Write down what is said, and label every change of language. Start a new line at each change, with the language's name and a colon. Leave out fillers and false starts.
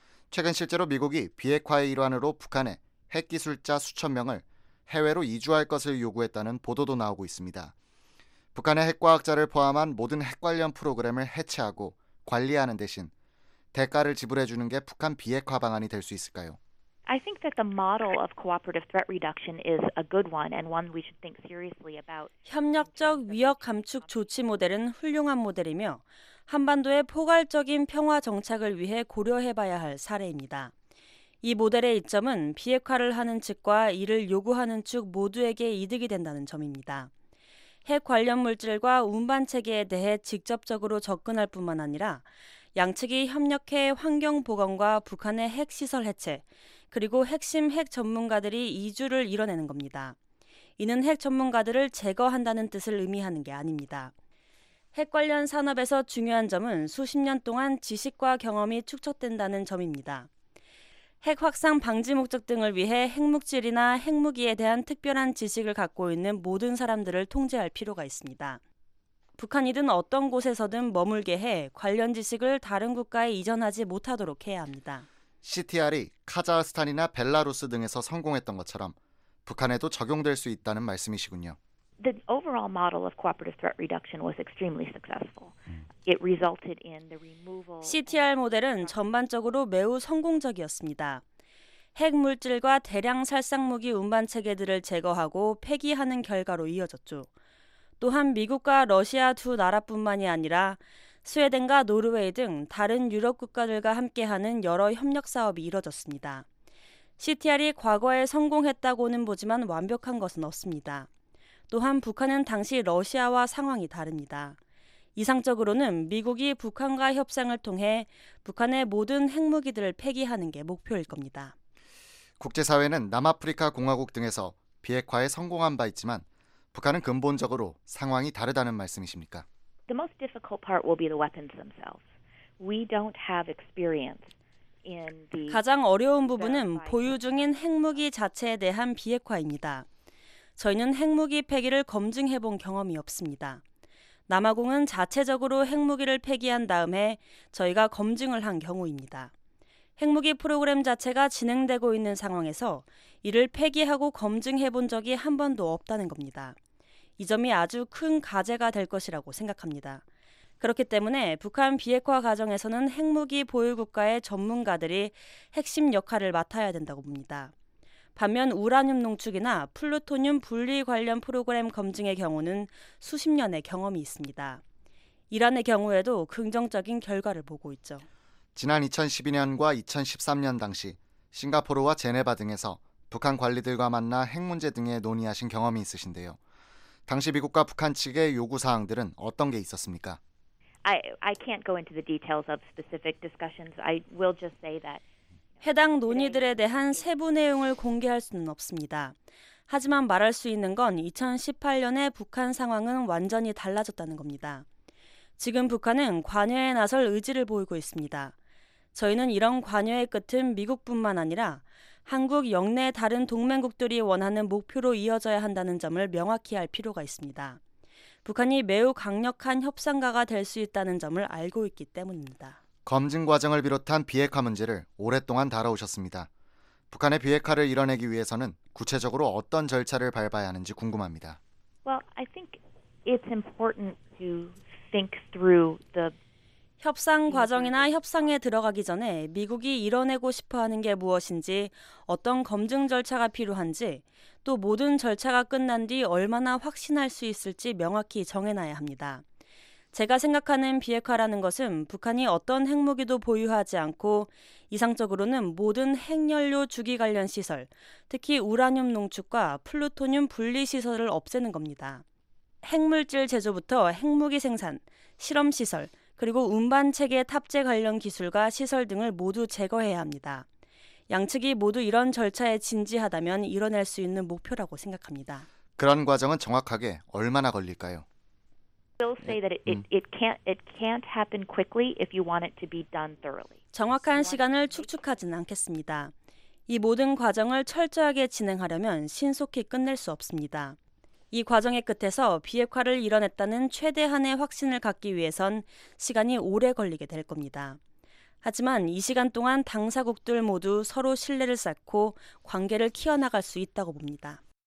Korean: 최근 실제로 미국이 비핵화의 일환으로 북한에 핵기술자 수천 명을 해외로 이주할 것을 요구했다는 보도도 나오고 있습니다. 북한의 핵과학자를 포함한 모든 핵 관련 프로그램을 해체하고 관리하는 대신 대가를 지불해주는 게 북한 비핵화 방안이 될 수 있을까요?
English: I think that the model of cooperative threat reduction is a good one and one we should think seriously about.
Korean: 협력적 위협 감축 조치 모델은 훌륭한 모델이며 한반도의 포괄적인 평화 정착을 위해 고려해봐야 할 사례입니다. 이 모델의 이점은 비핵화를 하는 측과 이를 요구하는 측 모두에게 이득이 된다는 점입니다. 핵 관련 물질과 운반 체계에 대해 직접적으로 접근할 뿐만 아니라 양측이 협력해 환경 보건과 북한의 핵 시설 해체, 그리고 핵심 핵 전문가들이 이주를 이뤄내는 겁니다. 이는 핵 전문가들을 제거한다는 뜻을 의미하는 게 아닙니다. 핵 관련 산업에서 중요한 점은 수십 년 동안 지식과 경험이 축적된다는 점입니다. 핵 확산 방지 목적 등을 위해 핵물질이나 핵무기에 대한 특별한 지식을 갖고 있는 모든 사람들을 통제할 필요가 있습니다. 북한이든 어떤 곳에서든 머물게 해 관련 지식을 다른 국가에 이전하지 못하도록 해야 합니다. CTR이 카자흐스탄이나 벨라루스 등에서 성공했던 것처럼 북한에도 적용될 수 있다는 말씀이시군요.
English: The overall model of cooperative threat reduction was extremely successful. It resulted in the removal.
Korean: CTR 모델은 전반적으로 매우 성공적이었습니다. 핵 물질과 대량 살상무기 운반 체계들을 제거하고 폐기하는 결과로 이어졌죠. 또한 미국과 러시아 두 나라뿐만이 아니라 스웨덴과 노르웨이 등 다른 유럽 국가들과 함께하는 여러 협력 사업이 이뤄졌습니다. CTR이 과거에 성공했다고는 보지만 완벽한 것은 없습니다. 또한 북한은 당시 러시아와 상황이 다릅니다. 이상적으로는 미국이 북한과 협상을 통해 북한의 모든 핵무기들을 폐기하는 게 목표일 겁니다. 국제사회는 남아프리카 공화국 등에서 비핵화에 성공한 바 있지만 북한은 근본적으로 상황이 다르다는 말씀이십니까?
English: The most difficult part will be the weapons themselves. We don't have experience in the
Korean: 가장 어려운 부분은 보유 중인 핵무기 자체에 대한 비핵화입니다. 저희는 핵무기 폐기를 검증해 본 경험이 없습니다. 남아공은 자체적으로 핵무기를 폐기한 다음에 저희가 검증을 한 경우입니다. 핵무기 프로그램 자체가 진행되고 있는 상황에서 이를 폐기하고 검증해 본 적이 한 번도 없다는 겁니다. 이 점이 아주 큰 과제가 될 것이라고 생각합니다. 그렇기 때문에 북한 비핵화 과정에서는 핵무기 보유 국가의 전문가들이 핵심 역할을 맡아야 된다고 봅니다. 반면 우라늄 농축이나 플루토늄 분리 관련 프로그램 검증의 경우는 수십 년의 경험이 있습니다. 이란의 경우에도 긍정적인 결과를 보고 있죠. 지난 2012년과 2013년 당시 싱가포르와 제네바 등에서 북한 관리들과 만나 핵 문제 등에 논의하신 경험이 있으신데요. 당시 미국과 북한 측의 요구 사항들은 어떤 게 있었습니까?
English: I can't go into the details of specific discussions. I will just say that
Korean: 해당 논의들에 대한 세부 내용을 공개할 수는 없습니다. 하지만 말할 수 있는 건 2018년에 북한 상황은 완전히 달라졌다는 겁니다. 지금 북한은 관여에 나설 의지를 보이고 있습니다. 저희는 이런 관여의 끝은 미국뿐만 아니라 한국 영내 다른 동맹국들이 원하는 목표로 이어져야 한다는 점을 명확히 할 필요가 있습니다. 북한이 매우 강력한 협상가가 될 수 있다는 점을 알고 있기 때문입니다. 검증 과정을 비롯한 비핵화 문제를 오랫동안 다뤄오셨습니다. 북한의 비핵화를 이뤄내기 위해서는 구체적으로 어떤 절차를 밟아야 하는지 궁금합니다.
English: Well, I think it's important to think through the
Korean: 협상 과정이나 협상에 들어가기 전에 미국이 이뤄내고 싶어하는 게 무엇인지, 어떤 검증 절차가 필요한지, 또 모든 절차가 끝난 뒤 얼마나 확신할 수 있을지 명확히 정해놔야 합니다. 제가 생각하는 비핵화라는 것은 북한이 어떤 핵무기도 보유하지 않고 이상적으로는 모든 핵연료 주기 관련 시설, 특히 우라늄 농축과 플루토늄 분리 시설을 없애는 겁니다. 핵물질 제조부터 핵무기 생산, 실험시설, 그리고 운반체계 탑재 관련 기술과 시설 등을 모두 제거해야 합니다. 양측이 모두 이런 절차에 진지하다면 이뤄낼 수 있는 목표라고 생각합니다. 그런 과정은 정확하게 얼마나 걸릴까요?
English: They'll say that it can't happen quickly if you want it to be done thoroughly.
Korean: 정확한 시간을 축축하진 않겠습니다. 이 모든 과정을 철저하게 진행하려면 신속히 끝낼 수 없습니다. 이 과정의 끝에서 비핵화를 이뤄냈다는 최대한의 확신을 갖기 위해선 시간이 오래 걸리게 될 겁니다. 하지만 이 시간 동안 당사국들 모두 서로 신뢰를 쌓고 관계를 키워나갈 수 있다고 봅니다.